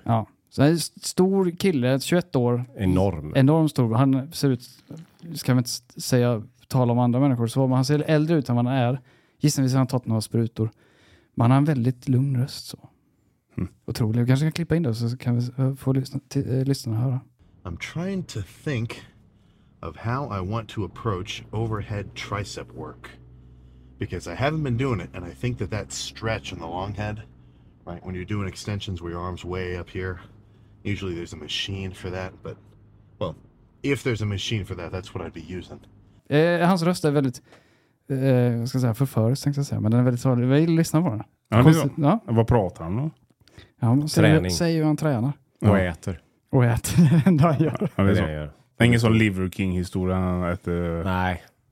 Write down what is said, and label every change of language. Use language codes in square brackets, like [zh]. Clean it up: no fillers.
[sv] Ja. Så han är stor kille, 21 år. Enorm stor. Han ser ut, ska vi inte säga, tala om andra människor så, men han ser äldre ut än vad han är. Gissningsvis har han tagit några sprutor. Man har en väldigt lugn röst så. Mm. Otroligt. Vi kanske kan klippa in det så kan vi få lyssnarna höra. [en] I'm trying to think of how I want to approach overhead tricep work. Because I haven't been doing it, and I think that stretch in the long head, right, when you're doing extensions where your arm's way up here, usually there's a machine for that, but well, if there's a machine for that, that's what I'd be using. [sv] Hans röst är väldigt... jag ska säga förförs, tänkte jag säga. Men den är väldigt svarlig. Vi lyssnar på den. Ja, ja. Vad pratar han då? Ja, träning. Säger ju han tränar. Och äter. Och äter. Det är så. Ingen sån Liver King-historia. Nej.